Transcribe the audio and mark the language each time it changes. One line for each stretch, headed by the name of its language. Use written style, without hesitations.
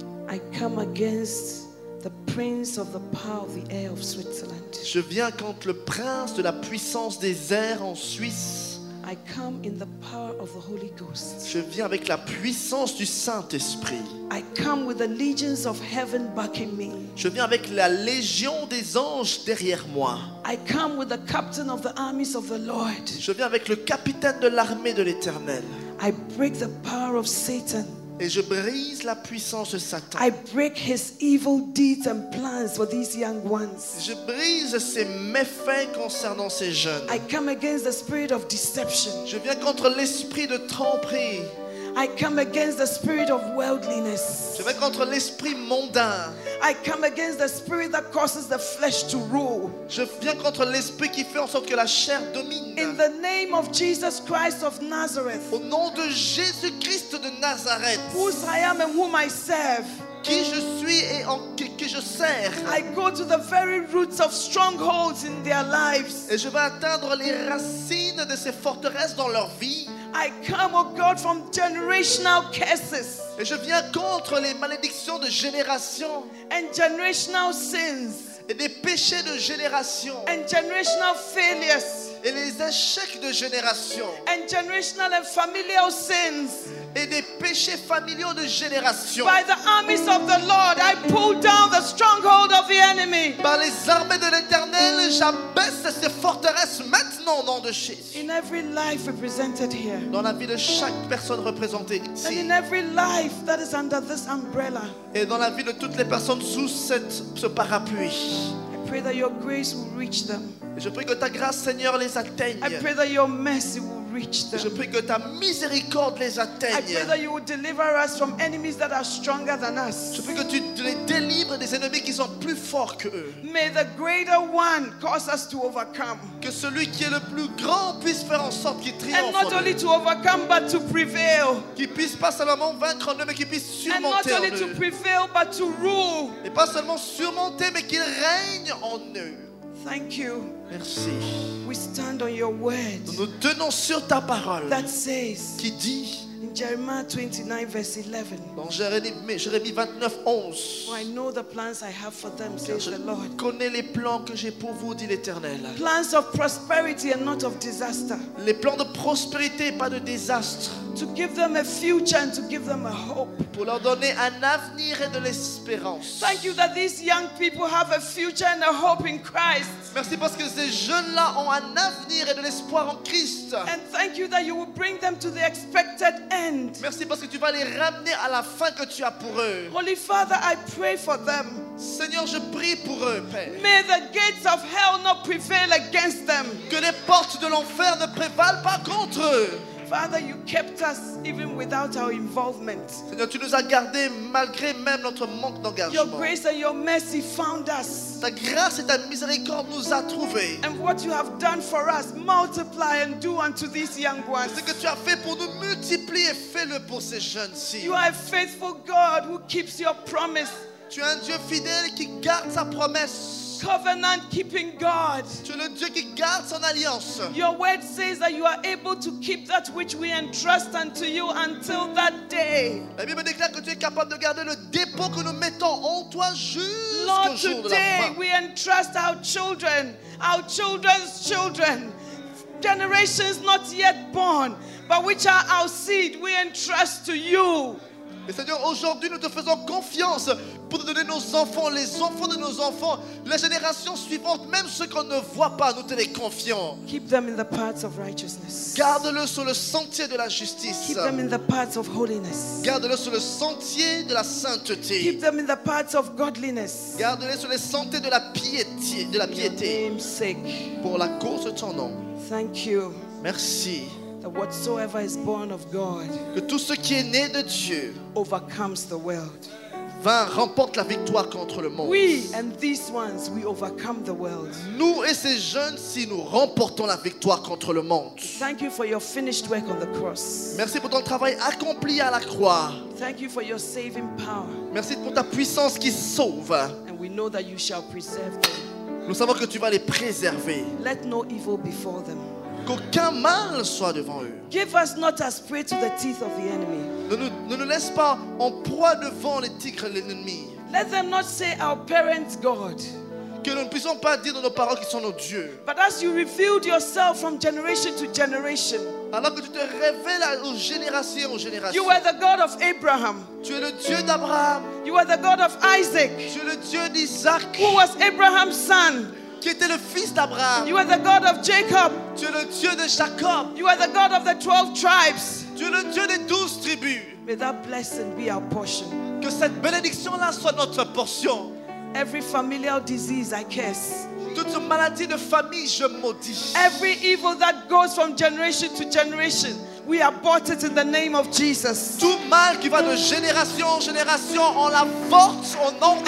English: I come against the prince of the power of the air of Switzerland.
French: Je viens contre le prince de la puissance des airs en Suisse.
English: I come in the power of the Holy Ghost.
French: Je viens avec la puissance du Saint-Esprit.
English: I come with the legions of heaven backing me.
French: Je viens avec la légion des anges derrière moi.
English: I come with the captain of the armies of the Lord.
French: Je viens avec le capitaine de l'armée de l'Éternel.
English: I break the power of Satan.
French: Et je brise la puissance de Satan.
English: I break his evil deeds and plans for these young ones.
French: Je brise ses méfaits concernant ces jeunes.
English: I come against the spirit of deception.
French: Je viens contre l'esprit de tromperie.
English: I come against the spirit of worldliness.
French: Je viens contre l'esprit mondain.
English: I come against the spirit that causes the flesh to rule.
French: Je viens contre l'esprit qui fait en sorte que la chair domine.
English: In the name of Jesus Christ of Nazareth.
French: Au nom de Jésus-Christ de Nazareth.
English: Whose I am and whom I serve.
French: Qui je suis et en qui je sers.
English: I go to the very roots of strongholds in their lives.
French: Et je vais atteindre les racines de ces forteresses dans leur vie.
English: I come, oh God, from generational curses.
French: Et je viens contre les malédictions de génération.
English: And generational sins.
French: Et des péchés de génération.
English: And generational failures.
French: Et les échecs de génération.
English: And generational and familial sins.
French: Et des péchés familiaux de génération.
English: By the armies of the Lord, I pull down the stronghold of the enemy.
French: Par les armées de l'Éternel, j'abaisse ces forteresses maintenant au nom de Jésus.
English: In every life represented here.
French: Dans la vie de chaque personne représentée ici.
English: And in every life that is under this umbrella.
French: Et dans la vie de toutes les personnes sous ce parapluie.
English: I pray that your grace will reach them.
French: Je prie que ta grâce, Seigneur, les atteigne.
English: I pray that your mercy will reach them.
French: Je prie que ta miséricorde les atteigne.
English: I pray that you will deliver us from enemies that are stronger than us.
French: Je prie que tu les délivres des ennemis qui sont plus forts qu'eux.
English: May the greater one cause us to overcome.
French: Que celui qui est le plus grand puisse faire en sorte qu'il triomphe.
English: And not only to overcome but to prevail.
French: Qu'il puisse pas seulement vaincre en eux mais qu'il puisse surmonter en eux.
English: And not only to prevail but to rule.
French: Et pas seulement surmonter mais qu'il règne en eux.
English: Thank you.
French: Merci.
English: We stand on your word.
French: Nous tenons sur ta parole.
English: That says.
French: Qui dit.
English: In Jeremiah 29 verse 11.
French: Dans Jérémie 29 11.
English: For I know the plans I have for them, says the Lord.
French: Je connais les plans que j'ai pour vous, dit l'Éternel.
English: Plans of prosperity and not of disaster.
French: Les plans de prospérité, pas de désastre.
English: To give them a future and to give them a hope.
French: Pour leur donner un avenir et de l'espérance.
English: Thank you that these young people have a future and a hope in Christ.
French: Merci parce que ces jeunes-là ont un avenir et de l'espoir en Christ.
English: And thank you that you will bring them to the expected end.
French: Merci parce que tu vas les ramener à la fin que tu as pour eux.
English: Holy Father, I pray for them.
French: Seigneur, je prie pour eux, Père.
English: May the gates of hell not prevail against them.
French: Que les portes de l'enfer ne prévalent pas contre eux.
English: Father, you kept us even without our involvement.
French: Seigneur, tu nous as gardés malgré même notre manque d'engagement.
English: Your grace and your mercy found us.
French: Ta grâce et ta miséricorde nous a trouvés.
English: And what you have done for us, multiply and do unto these young ones.
French: Ce que tu as fait pour nous, multiplie et fais-le pour ces jeunes-ci.
English: You are a faithful God who keeps your promise.
French: Tu es un Dieu fidèle qui garde sa promesse.
English: Covenant keeping God.
French: Tu es le Dieu qui garde son alliance.
English: Your word says that you are able to keep that which we entrust unto you until that day.
French: La Bible déclare que tu es capable de garder le dépôt que nous mettons en toi jusqu'au jour de la fin.
English: Lord, today we entrust our children's children, generations not yet born, but which are our seed, we entrust to you.
French: Et Seigneur, aujourd'hui nous te faisons confiance pour te donner nos enfants, les enfants de nos enfants, les générations suivantes, même ceux qu'on ne voit pas, nous te les confions.
English: Keep them in the paths of righteousness.
French: Garde-le sur le sentier de la justice.
English: Keep them in the paths of holiness.
French: Garde-le sur le sentier de la sainteté.
English: Keep them in the paths of godliness.
French: Garde-le sur les sentiers de la piété, pour la cause de ton nom.
English: Thank you.
French: Merci.
English: That whatsoever is born of God,
French: que tout ce qui est né de Dieu,
English: overcomes the world.
French: Vint, remporte la victoire contre le monde.
English: We and these ones, we overcome the world.
French: Nous et ces jeunes, si nous remportons la victoire contre le monde.
English: Thank you for your finished work on the cross.
French: Merci pour ton travail accompli à la croix.
English: Thank you for your saving power.
French: Merci pour ta puissance qui sauve.
English: And we know that you shall preserve them.
French: Nous savons que tu vas les préserver.
English: Let no evil befall them.
French: Qu'aucun mal soit devant eux.
English: Give us not as prey to the teeth of the enemy.
French: Ne nous laisse pas en proie devant les tigres de l'ennemi.
English: Let them not say our parents God.
French: Que nous ne puissions pas dire dans nos paroles qu'ils sont nos dieux.
English: But as you revealed yourself from generation to generation.
French: Alors que tu te révèles aux générations et aux générations.
English: You are the God of Abraham.
French: Tu es le Dieu d'Abraham.
English: You are the God of Isaac.
French: Tu es le Dieu d'Isaac.
English: Who was Abraham's son?
French: Qui était le fils d'Abraham.
English: You are the God of Jacob.
French: Tu es le Dieu de Jacob.
English: You are the God of the 12 tribes.
French: Tu es le Dieu des 12 tribus.
English: May that blessing be our portion.
French: Que cette bénédiction-là soit notre portion.
English: Every familial disease I curse.
French: Toute maladie de famille, je maudis.
English: Every evil that goes from generation to generation, we abort it in the name of Jesus.
French: Tout mal qui va de génération en génération, on l'avorte au nom de